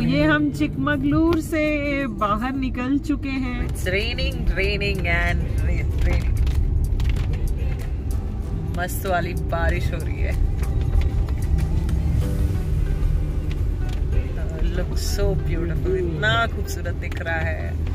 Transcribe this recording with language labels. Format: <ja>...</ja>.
<hi>हम चिकमगलूर से बाहर निकल चुके हैं।</hi> <en>It's raining, raining and raining.</en> <hi>मस्त वाली बारिश हो रही है।</hi> <en>Look so beautiful,</en> <hi>इतना खूबसूरत दिख रहा है।</hi>